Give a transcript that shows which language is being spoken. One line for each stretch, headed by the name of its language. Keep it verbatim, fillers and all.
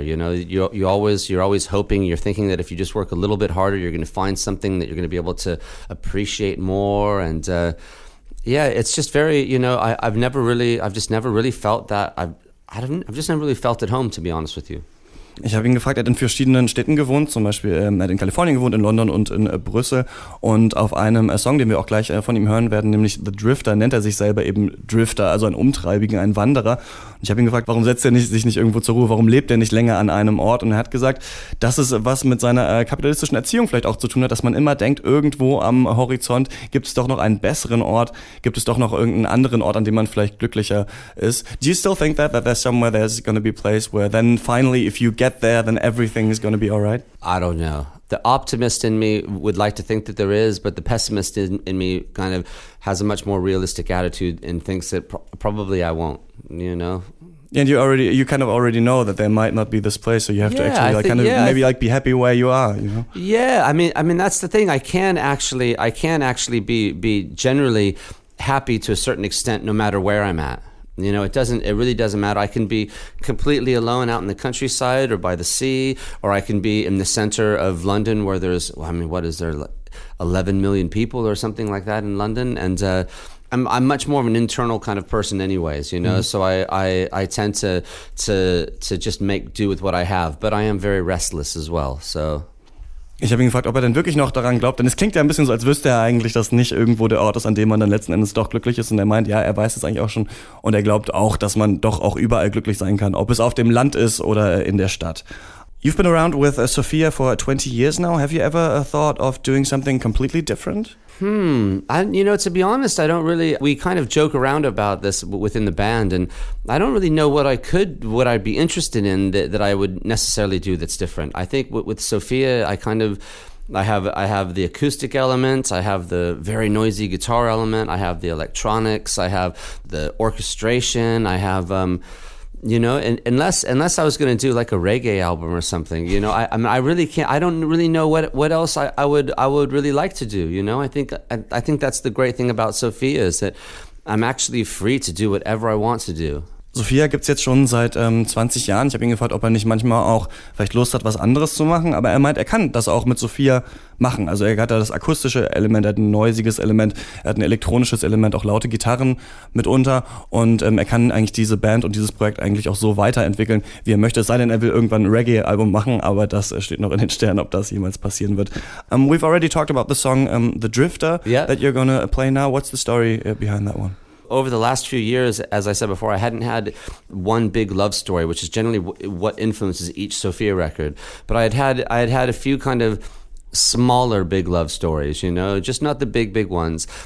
English: You know, you you always you're always hoping, you're thinking that if you just work a little bit harder, you're going to find something that you're going to be able to appreciate more. And uh, yeah, it's just very, you know, I, I've never really, I've just never really felt that I've I haven't, I've just never really felt at home, to be honest with you.
German: Ich habe ihn gefragt, er hat in verschiedenen Städten gewohnt, zum Beispiel ähm, er hat in Kalifornien gewohnt, in London und in äh, Brüssel, und auf einem äh, Song, den wir auch gleich äh, von ihm hören werden, nämlich The Drifter, nennt er sich selber eben Drifter, also ein Umtreibigen, ein Wanderer. Und ich habe ihn gefragt, warum setzt er nicht, sich nicht irgendwo zur Ruhe, warum lebt er nicht länger an einem Ort, und er hat gesagt, dass es was mit seiner äh, kapitalistischen Erziehung vielleicht auch zu tun hat, dass man immer denkt, irgendwo am Horizont gibt es doch noch einen besseren Ort, gibt es doch noch irgendeinen anderen Ort, an dem man vielleicht glücklicher ist.
English: Do you still think that, that there's somewhere there's going to be a place where then finally if you get get there, then everything is going to be all right? I don't know. The optimist in me would like to think that there is, but the pessimist in, in me kind of has a much more realistic attitude and thinks that pro- probably I won't, you know? And you already, you kind of already know that there might not be this place, so you have yeah, to actually like think, kind of yeah, maybe th- like be happy where you are, you know? Yeah, I mean, I mean that's the thing. I can actually, I can actually be be generally happy to a certain extent, no matter where I'm at. You know, it doesn't, it really doesn't matter. I can be completely alone out in the countryside or by the sea, or I can be in the center of London where there's, well, I mean, what is there, like eleven million people or something like that in London? And uh, I'm, I'm much more of an internal kind of person anyways, you know, mm-hmm. so I, I, I tend to, to, to just make do with what I have, but I am very restless as well, so...
German: Ich habe ihn gefragt, ob er denn wirklich noch daran glaubt, denn es klingt ja ein bisschen so, als wüsste er eigentlich, dass nicht irgendwo der Ort ist, an dem man dann letzten Endes doch glücklich ist, und er meint, ja, er weiß es eigentlich auch schon, und er glaubt auch, dass man doch auch überall glücklich sein kann, ob es auf dem Land ist oder in der Stadt.
English: You've been around with uh, Sophia for twenty years now. Have you ever uh, thought of doing something completely different? Hmm. I, you know, to be honest, I don't really, we kind of joke around about this within the band, and I don't really know what I could, what I'd be interested in that, that I would necessarily do that's different. I think w- with Sophia, I kind of, I have, I have the acoustic element, I have the very noisy guitar element, I have the electronics, I have the orchestration, I have, um, you know, and, unless unless I was going to do like a reggae album or something, you know, I I, mean, I really can't. I don't really know what what else I, I would I would really like to do. You know, I think I, I think that's the great thing about Sophia is that I'm actually free to do whatever I want to do.
German: Sophia gibt's jetzt schon seit ähm, zwanzig Jahren. Ich habe ihn gefragt, ob er nicht manchmal auch vielleicht Lust hat, was anderes zu machen. Aber er meint, er kann das auch mit Sophia machen. Also er hat da das akustische Element, er hat ein noisiges Element, er hat ein elektronisches Element, auch laute Gitarren mitunter. Und ähm, er kann eigentlich diese Band und dieses Projekt eigentlich auch so weiterentwickeln, wie er möchte. Es sei denn, er will irgendwann ein Reggae-Album machen, aber das steht noch in den Sternen, ob das jemals passieren wird.
English: Um, we've already talked about the song um, The Drifter yeah. that you're gonna play now. What's the story behind that one? Over the last few years, as I said before, I hadn't had one big love story, which is generally w- what influences each Sophia record. But I had had I had had a few kind of smaller big love stories, you know, just not the big, big ones.